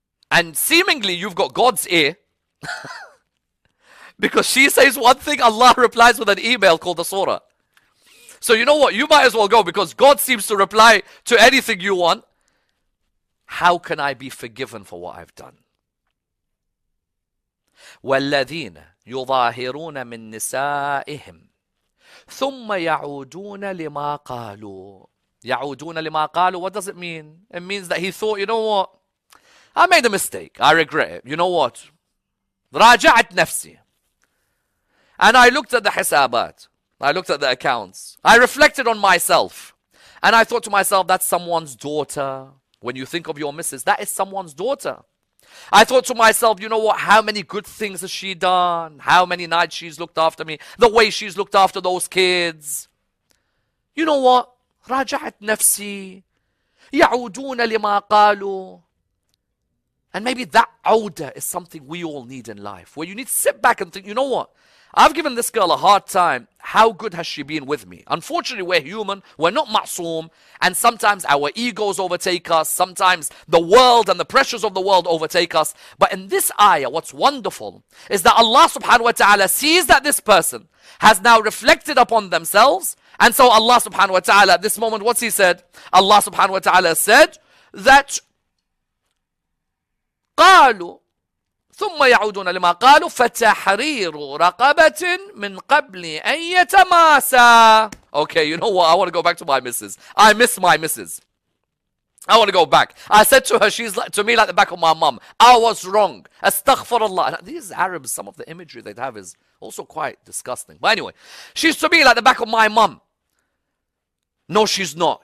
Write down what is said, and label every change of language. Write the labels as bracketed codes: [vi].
[en] And seemingly, you've got God's ear. Because she says one thing, Allah replies with an email called the Surah. So you know what? You might as well go because God seems to reply to anything you want. How can I be forgiven for what I've done? [ar] والذين يظاهرون من نسائهم ثم يعودون لما قالوا يعودون لما قالوا. [en] What does it mean? It means that he thought, you know what? I made a mistake. I regret it. You know what? [ar] راجعت نفسي. [en] And I looked at the حسابات. I looked at the accounts. I reflected on myself. And I thought to myself, that's someone's daughter. When you think of your missus, that is someone's daughter. I thought to myself, you know what? How many good things has she done? How many nights she's looked after me? The way she's looked after those kids. You know what? [ar] راجعت نفسي. يعودون لما قالوا. [en] And maybe that awda is something we all need in life. Where you need to sit back and think, you know what? I've given this girl a hard time. How good has she been with me? Unfortunately, we're human. We're not ma'soom. And sometimes our egos overtake us. Sometimes the world and the pressures of the world overtake us. But in this ayah, what's wonderful is that Allah subhanahu wa ta'ala sees that this person has now reflected upon themselves. And so Allah subhanahu wa ta'ala at this moment, what's he said? Allah subhanahu wa ta'ala said that [ar] قالوا ثم يعودون لما قالوا فتحرير رقبة من قبل أن يتماسا. [en] Okay, you know what? I want to go back to my missus. I miss my missus. I want to go back. I said to her, she's like, to me like the back of my mom. I was wrong. [ar] أستغفر الله. [en] These Arabs, some of the imagery they'd have is also quite disgusting. But anyway, she's to me like the back of my mom. No, she's not.